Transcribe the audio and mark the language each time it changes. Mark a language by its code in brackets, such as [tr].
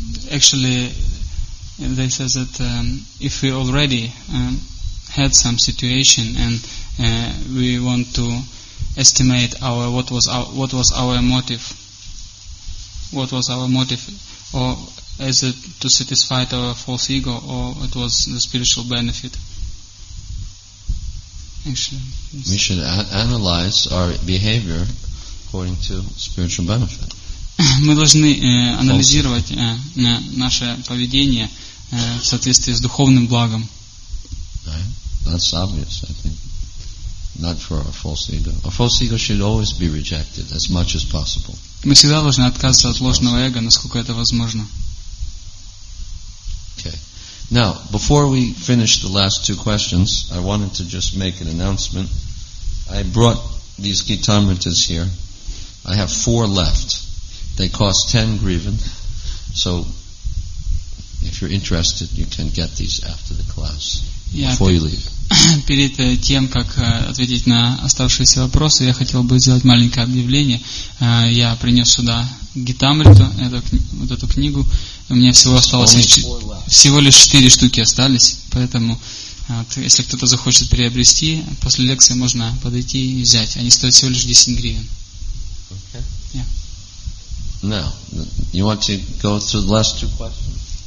[en] Actually, they say that if we already had some situation and we want to estimate what was our motive, or is it to satisfy our false ego, or it was the spiritual benefit? Actually, we should analyze our behavior according to spiritual benefit. [ru] Мы должны анализировать наше поведение в соответствии с духовным благом. [en] Right. That's obvious, I think. Not for a false ego. A false ego should always be rejected as much as possible. [ru] Мы всегда должны отказываться от ложного эго, насколько это возможно. [en] Okay. Now, before we finish the last two questions, I wanted to just make an announcement. I brought these Gitamritas here. I have 4 left. They cost 10 grivin, so if you're interested, you can get these after the class, before you leave. [ru] Перед тем, как ответить на оставшиеся вопросы, я хотел бы сделать маленькое объявление. Я принес сюда Гитамриту, эту книгу. У меня всего осталось всего лишь 4 штуки остались, поэтому если кто-то захочет приобрести, после лекции можно подойти и взять. Они стоят всего лишь 10 гривен. [en] Okay. Yeah. Now, you want to go through the last two questions?